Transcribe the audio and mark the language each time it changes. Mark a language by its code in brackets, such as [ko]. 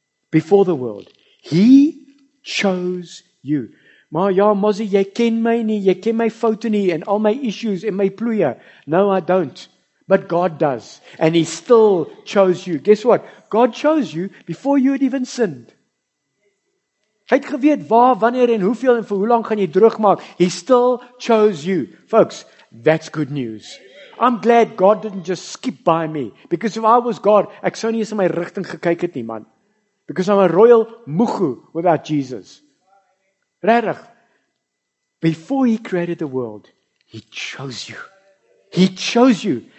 [en] Before the world, he chose you. [af] Maar ja, mozzie, jy ken my nie, jy ken my foute nie, [en] and all my issues and my ploeie. No, I don't. But God does. And he still chose you. Guess what? God chose you before you had even sinned. [af] Hy het geweet waar, wanneer, en hoeveel, en vir hoe lang gaan jy droog maak. [en] He still chose you. Folks, that's good news. I'm glad God didn't just skip by me. Because if I was God, [af] ek sou nie eens in my rigting gekyk het nie, man. [en] Because I'm a royal mugu without Jesus. [af] Regtig. [en] Before he created the world, he chose you. He chose you.